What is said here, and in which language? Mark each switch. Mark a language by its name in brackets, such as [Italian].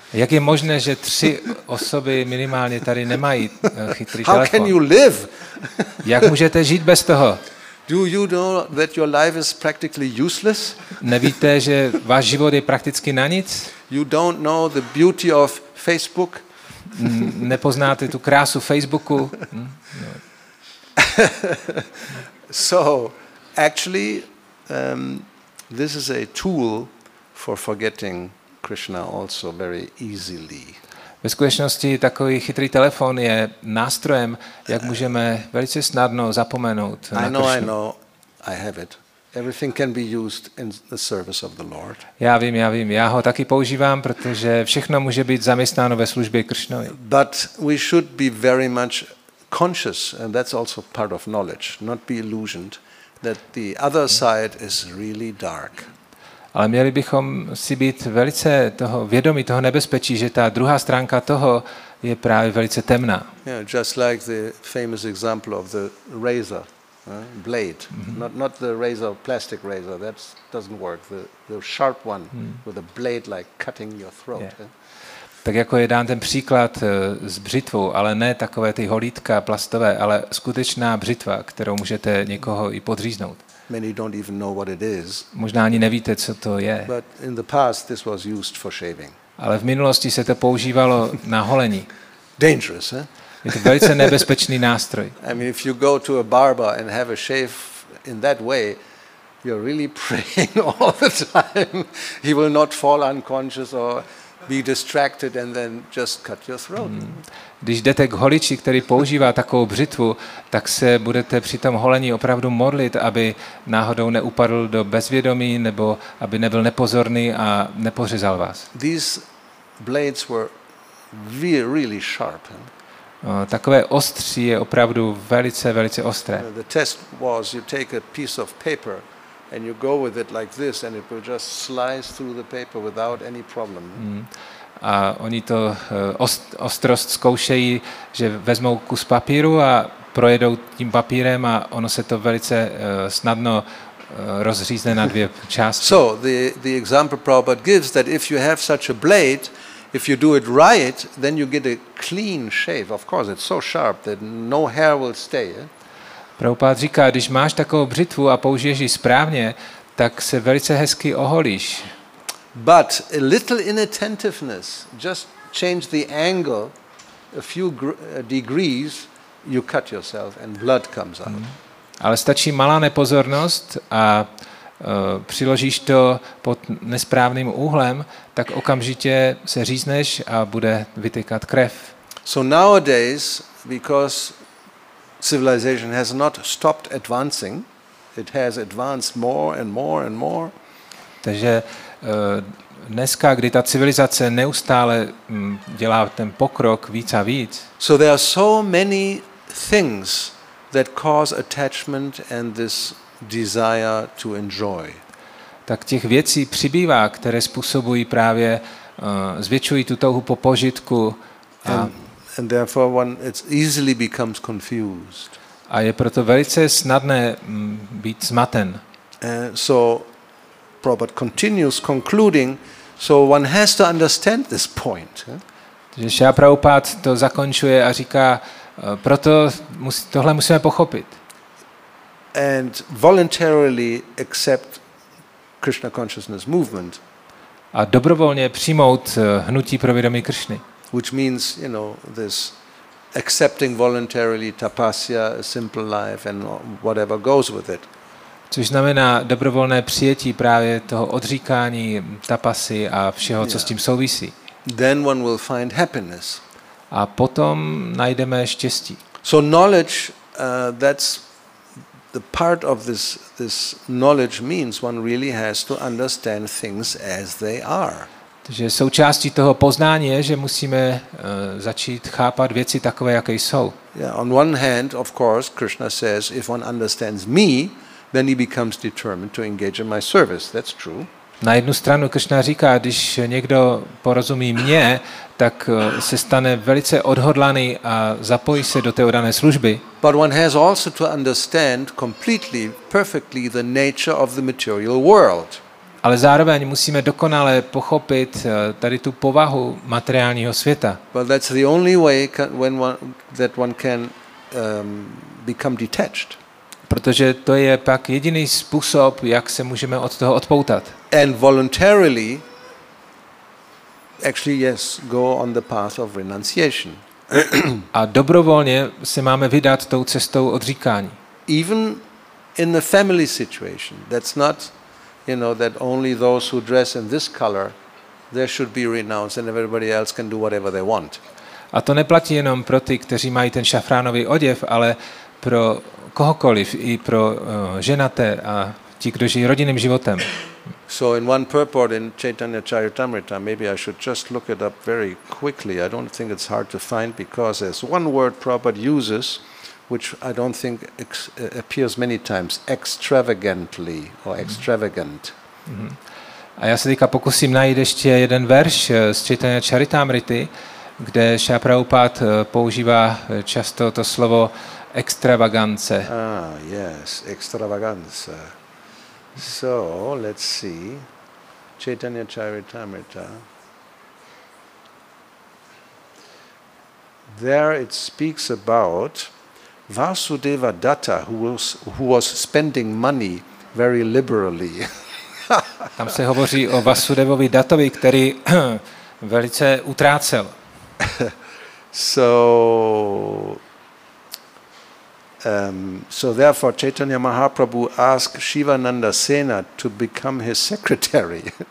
[Czech] Jak je možné, že 3 osoby minimálně tady nemají chytrý [English] How [Czech] telefon? [English] How can you live? [Czech] Jak můžete žít bez toho? [English] Do you know that your life is practically useless? [Czech] Nevíte, že váš život je prakticky na nic? [English] You don't know the beauty of Facebook? [Czech] Nepoznáte tu krásu Facebooku? [English] So, actually, this is a tool for forgetting Krishna also very easily. [Czech] Ve skutečnosti takový chytrý telefon je nástrojem, jak můžeme velice snadno zapomenout na Krishnu. [English] I know, I have it. Everything can be used in the service of the Lord. [Czech] Já vím, já ho taky používám, protože všechno může být zaměstnáno ve službě Krishnovi. [English] But we should be very much conscious, and that's also part of knowledge, not be illusioned, that the other side is really dark. [Czech] Ale měli bychom si být velice toho vědomí, toho nebezpečí, že ta druhá stránka toho je právě velice temná. [English] Yeah, just like the famous example of the razor, blade. Mm-hmm. Not the razor, plastic razor, that doesn't work. The sharp one with a blade like cutting your throat. Yeah. [Czech] Tak jako je dán ten příklad s břitvou, ale ne takové ty holítka plastové, ale skutečná břitva, kterou můžete někoho i podříznout. [English] Many don't even know what it is. [Czech] Možná ani nevíte, co to je. [English] But in the past this was used for shaving. [Czech] Ale v minulosti se to používalo na holení. [English] Dangerous, eh? [Czech] Je to velice nebezpečný nástroj. [English] I mean, if you go to a barber and have a shave in that way, you're really praying all the time he will not fall unconscious or be distracted and then just cut your throat. [Czech] Když jdete k holiči, který používá takovou břitvu, tak se budete při tom holení opravdu modlit, aby náhodou neupadl do bezvědomí nebo aby nebyl nepozorný a nepořezal vás. [English] These blades were really, really sharp. [Czech] Takové ostří je opravdu velice, velice ostré. [English] The test was you take a piece of paper and you go with it like this and it will just slice through the paper without any problem. [Czech] A oni to ostrost zkoušejí, že vezmou kus papíru a projedou tím papírem a ono se to velice snadno rozřízne na dvě části. [English] So the example Prabhupada gives that if you have such a blade, if you do it right, then you get a clean shave. Of course, it's so sharp that no hair will stay. [Czech] Prabhupada říká, když máš takovou břitvu a použiješ ji správně, tak se velice hezky oholíš. [English] But a little inattentiveness, just change the angle a few degrees, you cut yourself and blood comes out. [Czech] Ale stačí malá nepozornost a přiložíš to pod nesprávným úhlem, tak okamžitě se řízneš a bude vytékat krev. [English] So nowadays, because civilization has not stopped advancing, it has advanced more and more and more. [Czech] Takže dneska, kdy ta civilizace neustále dělá ten pokrok víc a víc. [English] So there are so many things that cause attachment and this desire to enjoy. [Czech] Tak těch věcí přibývá, které způsobují právě zvětšují tu touhu po požitku a [English] and therefore one it's easily becomes confused. [Czech] A je proto velice snadné být zmaten. [English] So Prabhupada continues concluding, so one has to understand this point. [Czech] Takže Šrila Prabhupada to zakončuje a říká, proto tohle musíme pochopit. [English] And voluntarily accept Krishna consciousness movement. [Czech] A dobrovolně přijmout hnutí pro vědomí Kršny. [English] Which means, you know, this accepting voluntarily tapasya, a simple life and whatever goes with it. [Czech] Což znamená dobrovolné přijetí právě toho odříkání tapasy a všeho, co s tím souvisí. [English] Then one will find happiness. [Czech] A potom najdeme štěstí. [English] So knowledge, that's the part of this knowledge means one really has to understand things as they are. [Czech] Takže součástí toho poznání je, že musíme začít chápat věci takové, jaké jsou. [English] Yeah, on one hand, of course, Krishna says, if one understands me, then he becomes determined to engage in my service. That's true. [Czech] Na jednu stranu Krishna říká, když někdo porozumí mě, tak se stane velice odhodlaný a zapojí se do té dané služby. [English] But one has also to understand completely, perfectly the nature of the material world. [Czech] Ale zároveň musíme dokonale pochopit tady tu povahu materiálního světa. [English] Well, that's the only way when one, that one can become detached. [Czech] Protože to je pak jediný způsob, jak se můžeme od toho odpoutat. [English] And voluntarily, actually yes, go on the path of renunciation. [Czech] A dobrovolně se máme vydat tou cestou odříkání. [English] Even in the family situation, that's not, you know, that only those who dress in this color, there should be renounced, and everybody else can do whatever they want. [Czech] A to neplatí jenom pro ty, kteří mají ten šafránový oděv, ale pro kohokoliv, i pro ženaté a ti, kdo žijí rodinným životem. [English] So in one purport in Chaitanya Charitamrita, maybe I should just look it up very quickly. I don't think it's hard to find because there's one word Prabhupada uses, which I don't think appears many times, extravagantly or extravagant. Mm-hmm. [Czech] A já se teďka pokusím najít ještě jeden verš z Chaitanya Charitamrity, kde Shri Prabhupada používá často to slovo extravagance. [English] Ah, yes, extravagance. So, let's see. Chaitanya Charitamrita. There it speaks about Vasudeva Datta, who was spending money very liberally. [Czech] Tam se hovoří o Vasudevovi Dattovi, který velice utrácel. [English] So therefore Chaitanya Mahaprabhu asked Shivananda Sena to become his secretary.